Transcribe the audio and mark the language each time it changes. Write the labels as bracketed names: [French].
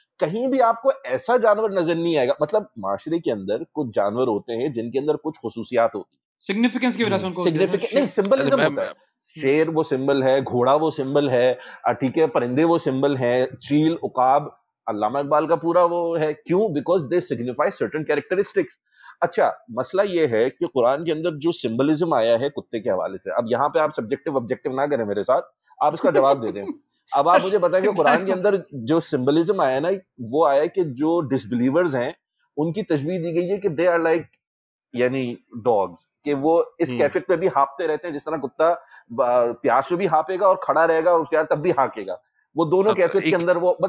[Urdu] کہیں بھی آپ کو ایسا جانور نظر نہیں آئے گا. مطلب معاشرے کے اندر کچھ جانور ہوتے ہیں جن کے اندر کچھ خصوصیات ہوتی ہیں, سگنیفیکنس کی وجہ سے ان کو سگنیفیکنس نہیں, سمبلزم ہوتا ہے. شیر وہ سمبل ہے, گھوڑا وہ سمبل ہے, ٹھیک ہے, پرندے وہ سمبل ہیں, چیل, عقاب, علامہ اقبال کا پورا وہ ہے. کیوں؟ [English] Because they signify certain characteristics. [Urdu] اچھا, مسئلہ یہ ہے کہ قرآن کے اندر جو سمبلزم آیا ہے کتے کے حوالے سے, اب یہاں پہ آپ سبجیکٹو آبجیکٹو نہ کریں میرے ساتھ, آپ اس کا جواب دے دیں. اب آپ مجھے بتائیں کہ قرآن کے اندر جو سمبلزم آیا نا, وہ آیا کہ جو ڈس بلیورز ہیں ان کی تشبیہ دی گئی ہے کہ [English] they are like [Urdu] یعنی ڈاگز, کہ وہ اس کیفیت پہ بھی ہانپتے رہتے ہیں جس طرح کتا پیاس پہ بھی ہانپے گا اور کھڑا رہے گا اور پیار تب بھی ہانکے گا, وہ دونوں کیفیت کے اندر وہ